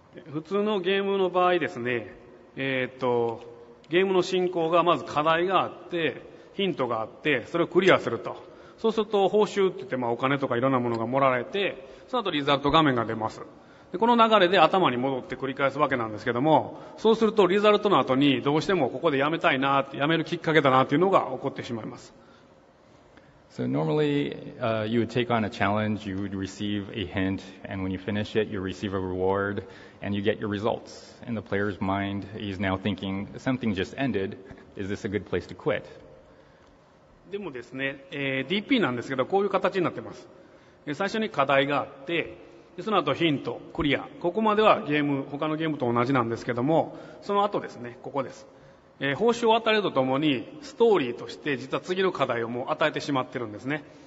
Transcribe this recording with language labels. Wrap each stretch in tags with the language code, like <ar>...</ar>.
<ja>普通のゲームの場合ですね、ゲームの進行がまず課題があってヒントがあって、それをクリアすると、そうすると報酬って言って、まあ、お金とかいろんなものがもらえて、その後リザルト画面が出ます。でこの流れで頭に戻って繰り返すわけなんですけども、そうするとリザルトの後にどうしてもここでやめたいなって、やめるきっかけだなっていうのが起こってしまいます。</ja> <en>So normally, you would take on a challenge, you would receive a hint, and when you finish it, you receive a reward, and you get your results. And the player's mind is now thinking, something just ended, is this a good place to quit?</en> <ja>でもですね、DP なんですけど、こういう形になってます。最初に課題があって、でその後ヒント、クリア、ここまではゲーム、他のゲームと同じなんですけども、その後ですね、ここです。報酬を与えるとともにストーリーとして実は次の課題をもう与えてしまってるんですね。</ja>